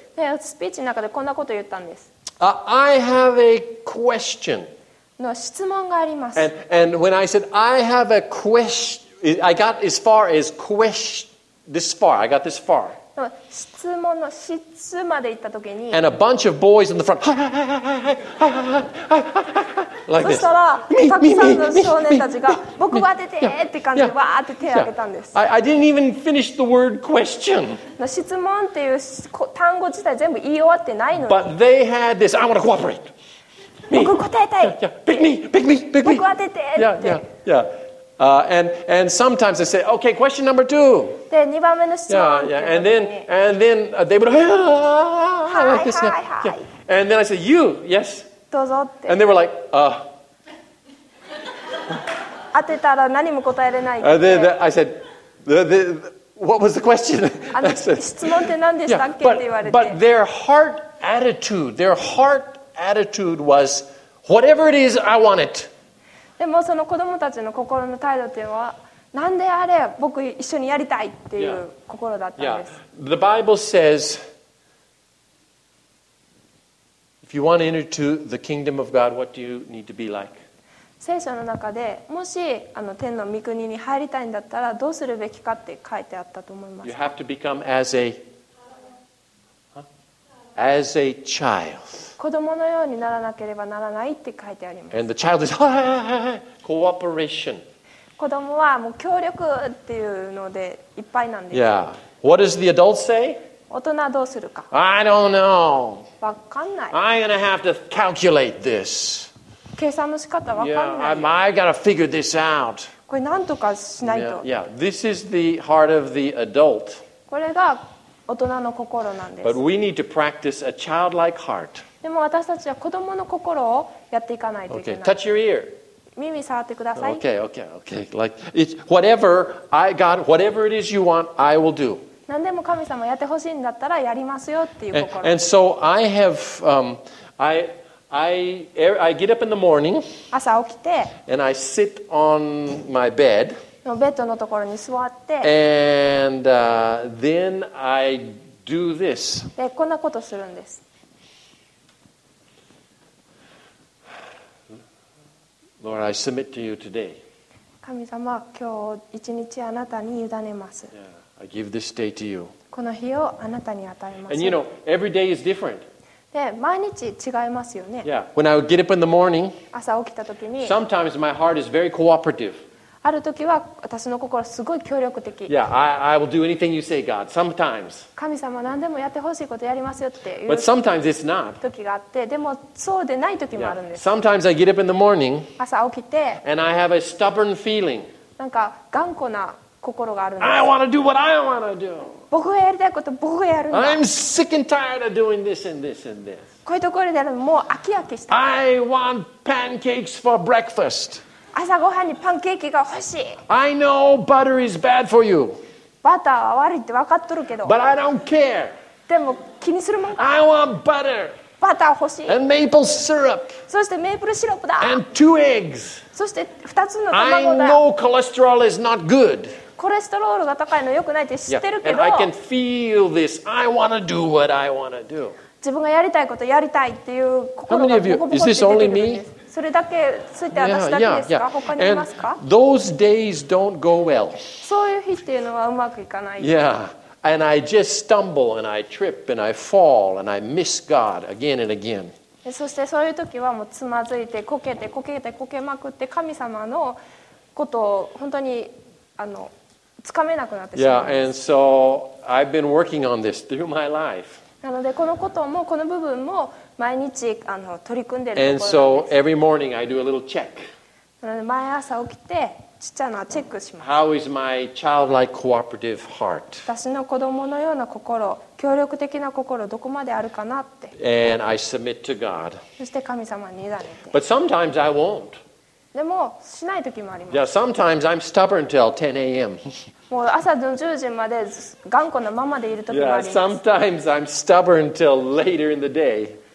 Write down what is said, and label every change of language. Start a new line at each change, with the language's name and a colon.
Japanese: ね、スピーチの中でこんなことを言ったんです。
English: I have a question.
Japanese: の質問があります。
English: And when I said, I have a question, I got as far as question, this far, I got this far.
Japanese: 質問の質まで行った時に、
English: and a bunch of boys in the front, like this.
Japanese: そしたら、たくさんの少年たちが、僕が当ててって感じで、わーって手を挙げたんです。
English: I didn't even finish the word question.
Japanese: 質問っていう単語自体全部言い終わってないのに。
English: But they had this. I want to cooperate.
Japanese: 僕答えたい。
English: Pick me, pick me, pick me.
Japanese: 僕当てて。
English: And sometimes I say, okay, question number two.
Japanese: で、2番目の質問。
English: Yeah, yeah. And then they would, like this. Yeah. Yeah. And then I say, you, yes.
Japanese: どうぞって。
English: And they were like,
Japanese: 当てたら何も答えれないって。
English: And then I said, what was the question?
Japanese: 質問って何でしたっけって言われて。
English: But their heart attitude was, whatever it is, I want it.
Japanese: でもその子供たちの心の態度というのは、なんであれ僕一緒にやりたいっていう心だったんです。
English: Yeah. Yeah. The Bible says, if you want to enter to the kingdom of God, what do you need to be like?
Japanese: 聖書の中でもしあの天の御国に入りたいんだったらどうするべきかって書いてあったと思います。
English: You have to become as a,、huh? as a child.
Japanese: 子供のようにならなければならないって書いてあります。
English: And the child is cooperation.
Japanese: 子供はもう協力っていうのでいっぱいなんです。
English: Yeah. What does the adult say?
Japanese: 大人はどうするか。
English: I don't know.
Japanese: わかんない。
English: I'm gonna have to calculate this.
Japanese: 計算の仕方わかんない。
English: Yeah. I gotta figure this out.
Japanese: これなんとかしないと。
English: Yeah. This is the heart of the adult.
Japanese: これが大人の心なんです。
English: But we need to practice a childlike heart.
Japanese: でも私たちは子どもの心をやっていかないといけない。
English: Okay, touch your ear.
Japanese: 耳触ってください。
English: Okay, okay, okay. Like it's whatever I got, whatever it is you want, I will do.
Japanese: 何でも神様やってほしいんだったらやりますよっていう心。
English: And so I have, I get up in the morning.
Japanese: 朝起きて。
English: And I sit on my bed.
Japanese: のベッドのところに座って。
English: And then I do this.
Japanese: でこんなことするんです。
English: Lord, I submit to you today.
Japanese: 神様、今日一日あなたに委ねます。
English: Yeah, I give this day to you.
Japanese: この日をあなたに与えます。
English: And you know, every day is different.
Japanese: で、毎日違いますよね。
English: Yeah, when I get up in the morning,
Japanese: 朝起きた時に、
English: sometimes my heart is very cooperative.
Japanese: ある時は私の心すごい協力的。
English: Yeah, I will do anything you say, God. Sometimes.
Japanese: 神様、何でもやってほしいことやりますよって言う。
English: But sometimes it's not.
Japanese: 時があって、でもそうでない時もあるんです。
English: Yeah. Sometimes I get up in the morning.
Japanese: 朝起きて。
English: And I have a stubborn feeling.
Japanese: なんか頑固な心があるんです。
English: I want to do what I want to do.
Japanese: 僕がやりたいこと僕がやるんだ。
English: I'm sick and tired of doing this and this and this.
Japanese: こういうところでやるのもう飽き飽きした。
English: I want pancakes for breakfast.
Japanese: 朝ごはんにパンケーキが欲しい。
English: I know butter is bad for you.
Japanese: バターは悪いって分かっとるけど。
English: But I don't care.
Japanese: でも気にするもん。
English: I want butter.
Japanese: バター欲しい。
English: And maple syrup.
Japanese: そしてメープルシロップだ。
English: And two eggs.
Japanese: そして2つの卵だ。
English: I know cholesterol is not good.
Japanese: コレステロールが高いの良くないって知ってるけど。
English: Yeah. And I can feel this. I want to do what I want to do.
Japanese: 自分がやりたいことやりたいっていう心がボコボコって出てくるんです。
English: Is this only me?
Japanese: それだけついて私だけですか、
English: yeah, yeah, yeah.
Japanese: 他にいますか
English: And those days don't go well.
Japanese: そういう日っていうのはうまくいかない。
English: Yeah. And I just stumble and I trip and I fall and I miss God again and again.
Japanese: そしてそういう時はもうつまずいてこけてこけてこけまくって神様のことを本当にあのつかめなくなってしまう。
English: Yeah, and so I've been working on this through my life.
Japanese: なのでこのこともこの部分も毎日あの取り組んでいるところです。
English: And so every morning I do a little check.
Japanese: なので毎朝起きてちっちゃなチェックします。
English: How is my childlike cooperative heart?
Japanese: 私の子供のような心、協力的な心どこまであるかなって。
English: And I submit to God.
Japanese: そして神様に委ねて。
English: But sometimes I won't.
Japanese: でもしない時もあります。
English: Yeah, sometimes I'm stubborn till 10 a.m.
Japanese: もう朝の10時まで頑固なままでいる時もあります。
English: Yeah, sometimes I'm stubborn till later in the day.